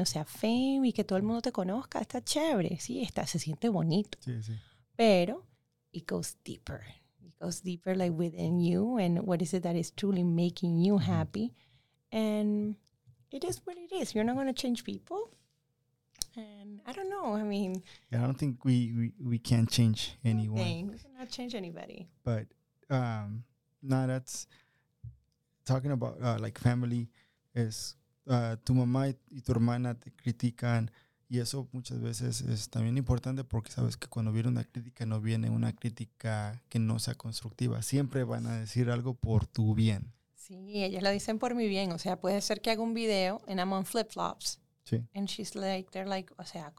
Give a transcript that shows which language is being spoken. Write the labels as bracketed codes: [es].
[es] O sea, fame y que todo el mundo te conozca. Está chévere, sí, está, se siente bonito. Sí, sí. [en] Pero it goes deeper. It goes deeper like within you and what is it that is truly making you happy. And it is what it is. You're not going to change people. And I don't know. I mean. Yeah, I don't think we can change anyone. Thing. We cannot change anybody. But that's talking about like family is [es] tu mamá y tu hermana te critican. Y eso muchas veces es también importante porque sabes que cuando viene una crítica, no viene una crítica que no sea constructiva. Siempre van a decir algo por tu bien. Sí, ellos lo dicen por mi bien. O sea, puede ser que haga un video [en] and I'm on flip-flops. [es] Sí. [en] And she's like, they're like, [es] o sea,